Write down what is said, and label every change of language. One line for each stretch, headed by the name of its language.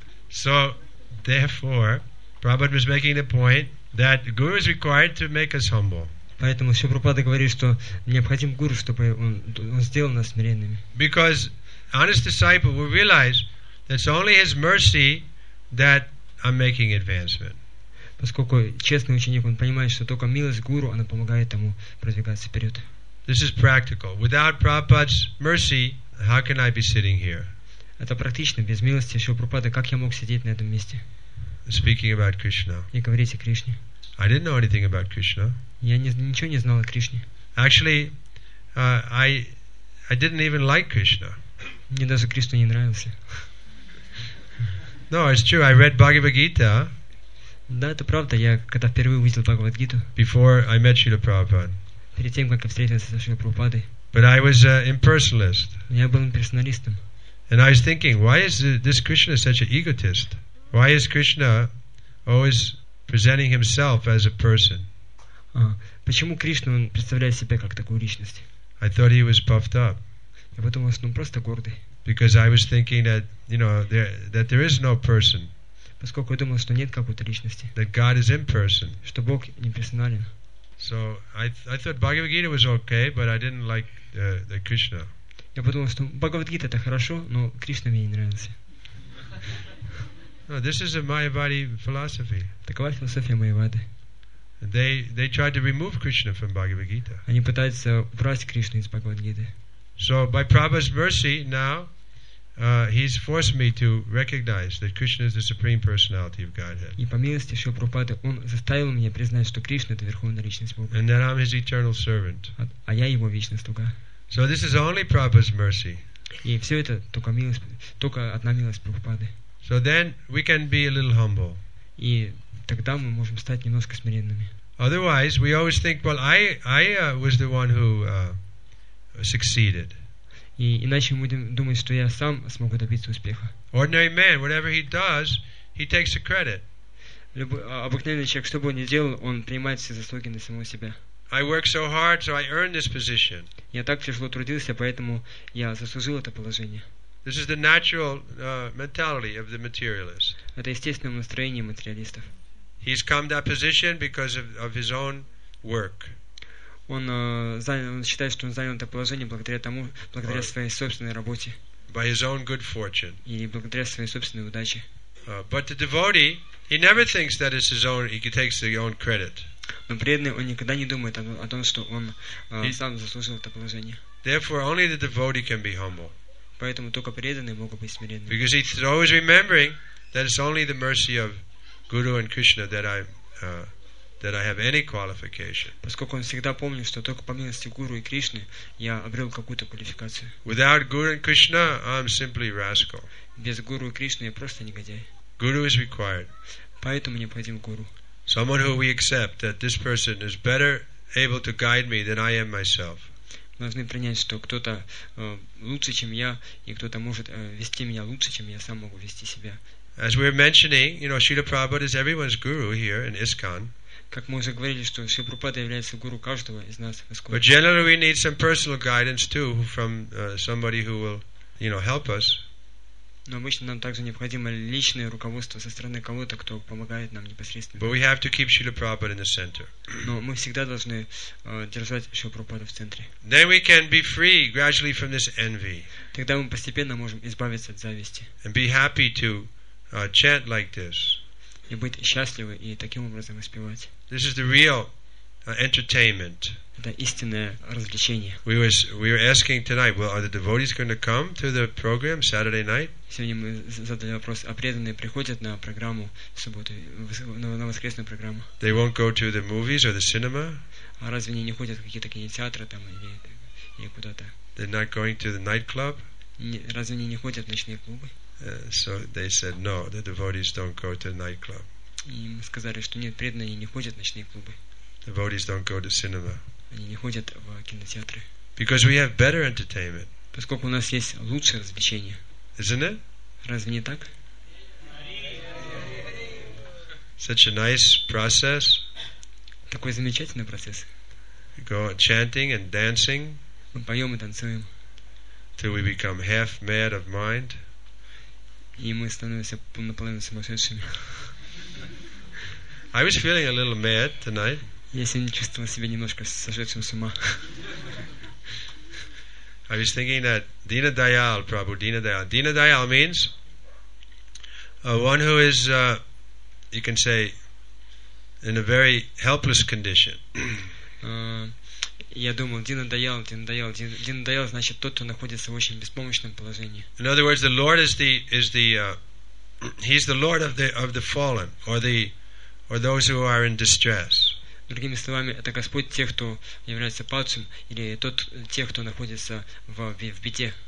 English: So, therefore, Prabhupada was making the point that guru is required to make us humble.
Russian: Поэтому Шри Прабхупада говорит, что необходим гуру, чтобы он сделал нас смиренными.
English: Because honest disciple will realize that it's only his mercy that I'm making advancement.
Russian: Поскольку честный ученик, он понимает, что только милость гуру, она помогает ему продвигаться вперед.
English: This is practical. Without Prabhupada's mercy, how can I be sitting here?
Russian: Это практично. Без милости Шрилы Прабхупады, как я мог сидеть на этом месте?
English: Speaking about Krishna.
Russian: И говорить о Кришне.
English: I didn't know anything about Krishna.
Russian: Я ничего не знал о Кришне.
English: Actually, I didn't even like Krishna.
Russian: Мне даже Кришна не нравился.
English: No, it's true. I read Bhagavad Gita.
Russian: Да, это правда. Я когда впервые увидел Бхагавад-гиту.
English: Before I met Srila Prabhupada.
Russian: Перед тем, как я встретился со Шрилой Прабхупадой.
English: But I was an impersonalist.
Russian: Я был имперсоналистом.
English: And I was thinking, why is this Krishna such an egotist? Why is Krishna always presenting himself as a person?
Russian: Почему Кришна представляет себя как такую личность?
English: I thought he was puffed up.
Russian: Я подумал, что он просто гордый.
English: Because I was thinking that, you know, there is no person.
Russian: Поскольку я думал, что нет какой-то личности.
English: That God is imperson.
Russian: Что Бог имперсонален.
English: So I thought Bhagavad Gita was okay, but I didn't like the Krishna.
Russian: Я подумал, что Бхагавад Гита это хорошо, но Кришна мне не нравится.
English: No, this is a Mayavadi philosophy.
Russian: Такова философия Майявады.
English: They tried to remove Krishna from Bhagavad Gita.
Russian: Они пытаются убрать Кришну из Бхагавад Гиты.
English: So by Prabhupada's mercy now. He's forced me to recognize that Krishna is the supreme personality of Godhead.
Russian: И по милости Шрилы Прабхупады он заставил меня признать, что Кришна это верховная личность Бога.
English: And that I'm his eternal servant.
Russian: А я его вечный слуга.
English: So this is only Prabhupada's mercy.
Russian: И все это только милость, только одна милость Прабхупады.
English: So then we can be a little humble.
Russian: И тогда мы можем стать немножко смиренными.
English: Otherwise, we always think, well, I was the one who succeeded.
Russian: И иначе мы будем думать, что я сам смог добиться успеха.
English: Ordinary man, whatever he does, he takes the credit.
Russian: Обыкновенный человек, что бы он ни делал, он принимает все заслуги на самого себя.
English: I worked so hard, so I earned this position.
Russian: Я так тяжело трудился, поэтому я заслужил это положение.
English: This is the natural mentality of the materialist.
Russian: Это естественное настроение материалистов.
English: He's come to that position because of his own work.
Russian: Он считает, что он занял это положение благодаря своей собственной работе.
English: By his own good fortune.
Russian: И благодаря своей собственной удаче.
English: But the devotee, he never thinks that it's his own. He takes his own credit.
Russian: Но преданный, он никогда не думает о том, что он сам заслужил это положение.
English: Therefore, only the devotee can be humble.
Russian: Поэтому только преданные могут быть смиренными.
English: Because he's always remembering that it's only the mercy of Guru and Krishna that I have any qualification.
Russian: Поскольку он всегда помнит, что только по милости Гуру и Кришны я обрел какую-то квалификацию.
English: Without Guru and Krishna, I'm simply rascal.
Russian: Без Гуру и Кришны я просто негодяй.
English: Guru is required.
Russian: Поэтому необходим Гуру.
English: Someone who we accept that this person is better able to guide me than I am myself.
Russian: Мы должны принять, что кто-то лучше, чем я, и кто-то может вести меня лучше, чем я сам могу вести себя.
English: As we were mentioning, you know, Srila Prabhupada is everyone's guru here in ISKCON.
Russian: Как мы уже говорили, что Шрила Прабхупада является гуру каждого из нас в ISKCON.
English: But generally, we need some personal guidance too from somebody who will, you know, help us.
Russian: Но обычно нам также необходимо личное руководство со стороны кого-то, кто помогает нам непосредственно.
English: But we have to keep Srila Prabhupada in the center.
Russian: Но мы всегда должны держать Шрила Прабхупада в центре.
English: Then we can be free gradually from this envy.
Russian: Тогда мы постепенно можем избавиться от зависти.
English: And be happy to chant like this.
Russian: И быть счастливы и таким образом воспевать.
English: This is the real entertainment.
Russian: Это истинное развлечение.
English: We were asking tonight, well, are the devotees going to come to the program Saturday night?
Russian: Сегодня мы задали вопрос, а преданные приходят на программу в субботу, на воскресную программу?
English: They won't go to the movies or the cinema?
Russian: А разве они не ходят в какие-то кинотеатры там или куда-то?
English: They're not going to the nightclub?
Russian: Разве они не ходят в ночные клубы?
English: So they said, no, the devotees don't go to the nightclub.
Russian: И мы сказали, что нет, преданные не ходят в ночные клубы.
English: The devotees don't go to cinema.
Russian: Они не ходят в кинотеатры.
English: Because we have better entertainment.
Russian: Поскольку у нас есть лучшее развлечение.
English: Isn't it?
Russian: Разве не так?
English: Such a nice process.
Russian: Такой замечательный процесс.
English: We go chanting and dancing.
Russian: Мы поем и танцуем.
English: Till we become half mad of mind.
Russian: И мы становимся наполовину сумасшедшими.
English: I was feeling a little mad tonight.
Russian: Я сегодня чувствовал себя немножко сошедшим с ума.
English: I was thinking that Dina Dayal, Prabhu, Dina Dayal. Dina Dayal means one who is, you can say, in a very helpless condition.
Russian: Я думал, Дина Даял, Дина Даял, Дина Даял, значит тот, кто находится в очень беспомощном положении.
English: In other words, the Lord he's the Lord of the fallen, or those who are in distress.
Russian: Другими словами, это Господь тех, кто является падшим, или тот тех, кто находится в беде.